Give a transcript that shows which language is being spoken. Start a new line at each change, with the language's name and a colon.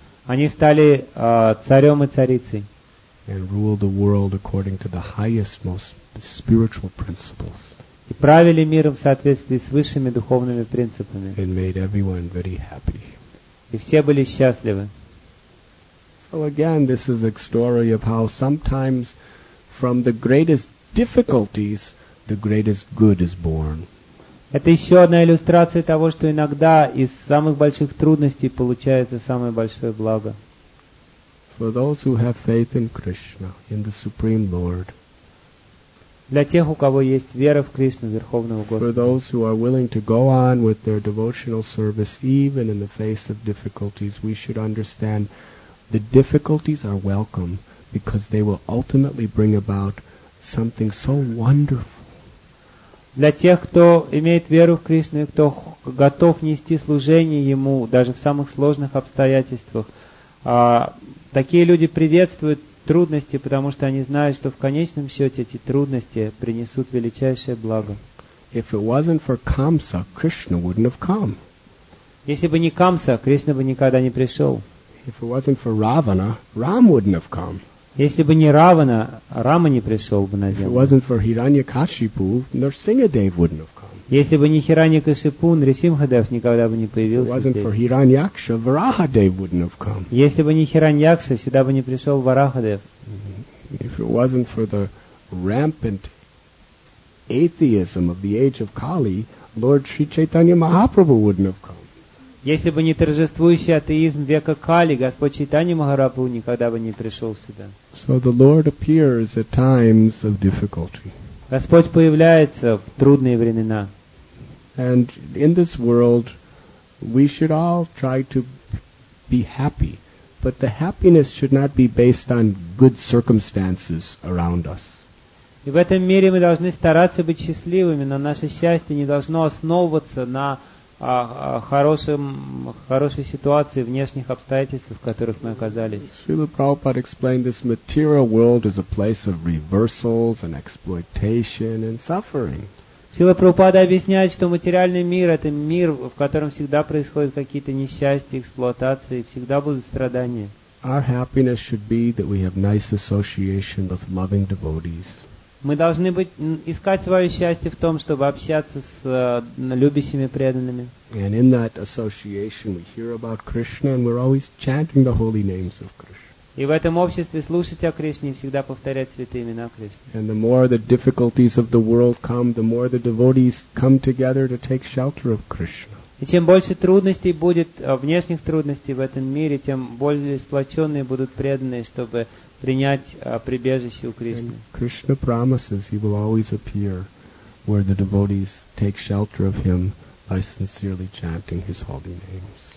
Russian: Они стали царем и царицей.
English: And ruled the world according to the highest, most spiritual principles.
Russian: И правили миром в соответствии с высшими духовными принципами.
English: And made everyone very happy.
Russian: И все были счастливы.
English: So again, this is a story of how sometimes from the greatest difficulties, the greatest good is born.
Russian: Это еще одна иллюстрация того, что иногда из самых больших трудностей получается самое большое благо.
English: For those who have faith in Krishna, in the Supreme Lord.
Russian: Для тех, у кого есть вера в Кришну, Верховного Господа.
English: For those who are willing to go on with their devotional service even in the face of difficulties, we should understand the difficulties are welcome because they will ultimately bring about something so wonderful.
Russian: Для тех, кто имеет веру в Кришну и кто готов нести служение Ему, даже в самых сложных обстоятельствах, такие люди приветствуют трудности, потому что они знают, что в конечном счете эти трудности принесут величайшее благо.
English: If it wasn't for Kamsa, Krishna wouldn't have come.
Russian: Если бы не Камса, Кришна бы никогда не пришел.
English: If it wasn't for Ravana, Ram wouldn't have come.
Russian: Если бы не Равана, Рама не пришел бы на землю.
English: If it wasn't for Hiranyakashipu, Narsingadev wouldn't have come.
Russian: Если бы не Хираньякашипу, Нарисимхадев никогда бы не появился.
English: If it wasn't for Hiranyaksha, Varahadev wouldn't have come.
Russian: Если бы не Хираньякша, сюда бы не пришел Варахадев.
English: If it wasn't for the rampant atheism of the age of Kali, Lord Sri Chaitanya Mahaprabhu wouldn't have come.
Russian: Если бы не торжествующий атеизм века Кали, Господь Чайтанья Махапрабху никогда бы не пришел сюда.
English: So the Lord appears at times of difficulty.
Russian: Господь появляется в трудные времена.
English: And in this world, we should all try to be happy, but the happiness should not be based on good circumstances around us.
Russian: И в этом мире мы должны стараться быть счастливыми, но наше счастье не должно основываться на хорошей ситуации, внешних обстоятельств, в которых мы оказались.
English: Srila Prabhupada explained this material world is a place of reversals and exploitation and suffering.
Russian: Srila Prabhupada объясняет, что материальный мир — это мир, в котором всегда происходят какие-то несчастья, эксплуатации, всегда будут страдания.
English: Our happiness should be that we have nice association with loving devotees.
Russian: Мы должны искать свое счастье в том, чтобы общаться с любящими преданными.
English: And in that association we hear about Krishna and we're always chanting the holy names of Krishna.
Russian: И в этом обществе слушать о Кришне и всегда повторять святые имена Кришны.
English: And the more the difficulties of the world come, the more the devotees come together to take shelter of Krishna.
Russian: И чем больше трудностей будет, внешних трудностей в этом мире, тем более сплоченные будут преданные, чтобы принять прибежище у Кришны.
English: And Krishna promises he will always appear where the devotees take shelter of him by sincerely chanting his holy names.